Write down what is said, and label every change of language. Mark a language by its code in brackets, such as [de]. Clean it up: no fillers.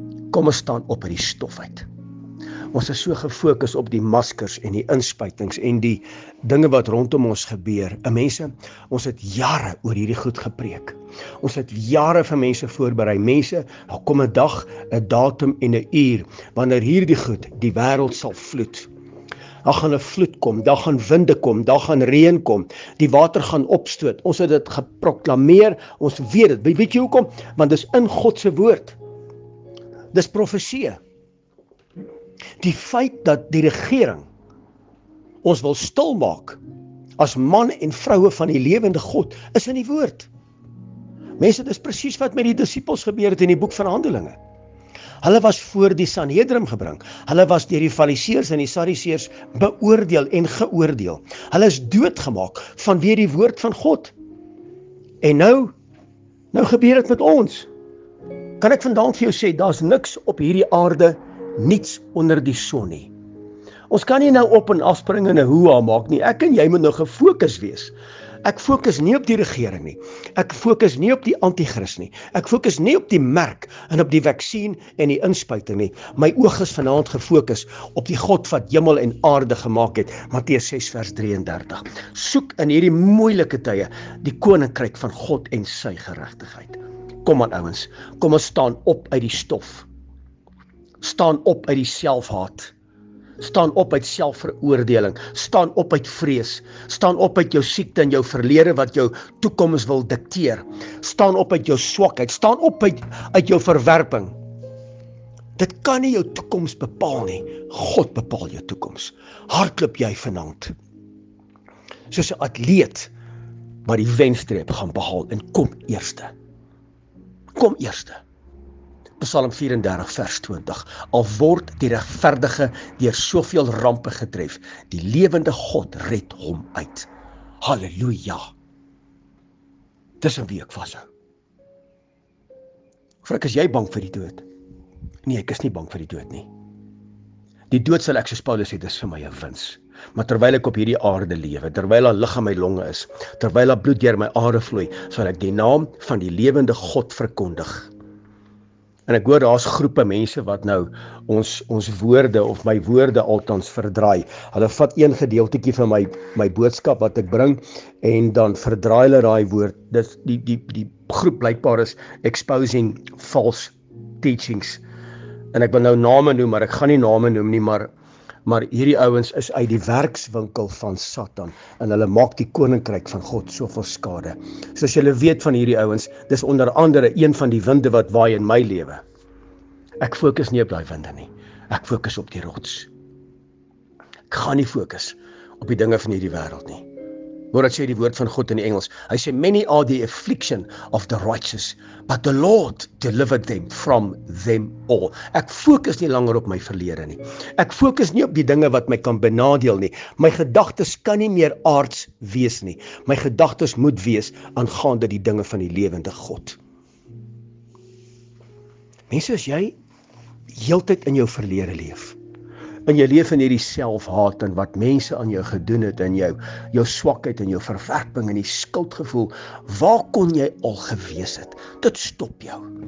[af] Kom ons staan op uit die stof uit. Ons is so gefokus op die maskers en die inspuitings en die dinge wat rondom ons gebeur. En mense, ons het jare oor hierdie goed gepreek. Ons het jare vir mense voorberei. Mense, daar kom 'n dag, 'n datum en 'n uur wanneer hierdie goed die wêreld sal vloed. Daar gaan 'n vloed kom, daar gaan winde kom, daar gaan reën kom. Die water gaan opstoot. Ons het dit geproklameer. Ons weet dit. Weet jy hoekom? Want dis in God se woord. Dis profesie. Die feit dat die regering ons wil stil maak as man en vroue van die lewende God is in die woord. Mense, dis presies wat met die disippels gebeur het in die boek van Handelinge. Hulle was voor die Sanhedrin gebring. Hulle was deur die Fariseërs en die Sadduseërs beoordeel en geoordeel. Hulle is doodgemaak vanweë die woord van God. En nou gebeur dit met ons. Kan ek vandaan vir jou sê, daar's niks op hierdie aarde, niets onder die son nie. Ons kan nie nou op en afspring en 'n hoa maak nie. Ek en jy moet nou gefokus wees. Ek fokus nie op die regering nie. Ek fokus nie op die anti-kris nie. Ek fokus nie op die merk en op die vaksin en die inspuiting nie. My oog is vanaand gefokus op die God wat hemel en aarde gemaak het. Matteus 6 vers 33. Soek in hierdie moeilike tye die koninkryk van God en sy geregtigheid. Kom aan ouens, kom ons staan op uit die stof. Staan op uit die selfhaat. Staan op uit selfveroordeling. Staan op uit vrees. Staan op uit jou siekte en jou verlede wat jou toekoms wil dikteer. Staan op uit jou swakheid. Staan op uit jou verwerping. Dit kan nie jou toekoms bepaal nie. God bepaal jou toekoms. Hardloop jy vanaand soos 'n atleet wat die wenstreep gaan behaal en kom eerste. Kom eerste. Psalm 34 vers 20. Al word die regverdige deur soveel rampe getref, die lewende God red hom uit. Halleluja. Dis 'n week vashou. Frik, is jy bang vir die dood? Nee, ek is nie bang vir die dood nie. Die dood sal ek, soos Paulus sê, dis vir my 'n wins. Maar terwyl ek op hierdie aarde lewe, terwyl daar lig in my longe is, terwyl daar bloed deur my are vloei, sal ek die naam van die lewende God verkondig. En ek hoor daar's groepe mense wat nou ons woorde of my woorde althans verdraai. Hulle vat een gedeeltetjie van my boodskap wat ek bring en dan verdraai hulle daai woord. Dis die groep blykbaar is exposing false teachings. En ek wil nou name noem, maar ek gaan nie name noem nie, maar hierdie ouens is uit die werkswinkel van Satan en hulle maak die koninkryk van God soveel skade. Soos julle weet van hierdie ouens, dis onder andere een van die winde wat waai in my lewe. Ek fokus nie op daai winde nie. Ek fokus op die rots. Ek gaan nie fokus op die dinge van hierdie wêreld nie. Hoor wat sê die woord van God in die Engels? Hy sê [en] many are the affliction of the righteous, but the Lord delivered them from them all. [af] Ek fokus nie langer op my verlede nie. Ek fokus nie op die dinge wat my kan benadeel nie. My gedagtes kan nie meer aards wees nie. My gedagtes moet wees aangaande die dinge van die lewende God. Mense, as jy heeltyd in jou verlede leef, en jy leef in hierdie selfhaat en wat mense aan jou gedoen het en jou swakheid en jou verwerping en die skuldgevoel, waar kon jy al gewees het? Dit stop jou.